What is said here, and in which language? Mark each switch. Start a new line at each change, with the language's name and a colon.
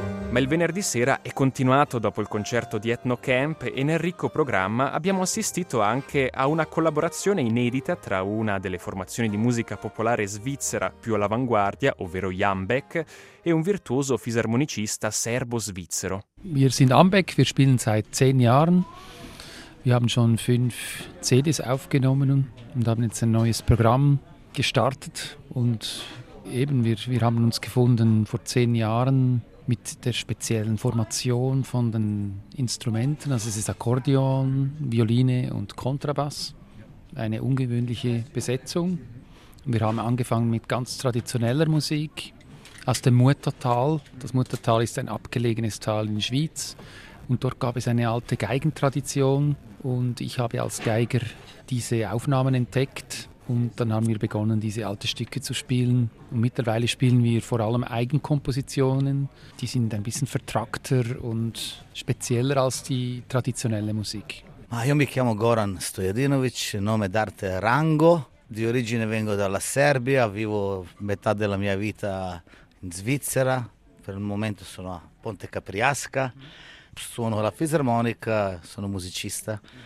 Italian: Ma il venerdì sera è continuato dopo il concerto di Ethnocamp e nel ricco programma abbiamo assistito anche a una collaborazione inedita tra una delle formazioni di musica popolare svizzera più all'avanguardia, ovvero Jambek, e un virtuoso fisarmonicista serbo-svizzero.
German: Wir sind Jambek, wir spielen seit 10 Jahren. Wir haben schon 5 CDs aufgenommen und haben jetzt ein neues Programm gestartet und eben wir haben uns gefunden vor 10 Jahren mit der speziellen Formation von den Instrumenten. Also es ist Akkordeon, Violine und Kontrabass. Eine ungewöhnliche Besetzung. Wir haben angefangen mit ganz traditioneller Musik aus dem Muttertal. Das Muttertal ist ein abgelegenes Tal in der Schweiz. Und dort gab es eine alte Geigentradition. Und ich habe als Geiger diese Aufnahmen entdeckt Und dann haben wir begonnen, diese alten Stücke zu spielen. Und mittlerweile spielen wir vor allem Eigenkompositionen. Die sind ein bisschen vertrackter und spezieller als die traditionelle Musik.
Italian: Ma io mi chiamo Goran Stojadinović, nome d'arte Rango. Di origine vengo dalla Serbia, vivo metà della mia vita in Svizzera. Per il momento sono a Ponte Capriasca. Suono la fisarmonica, sono musicista.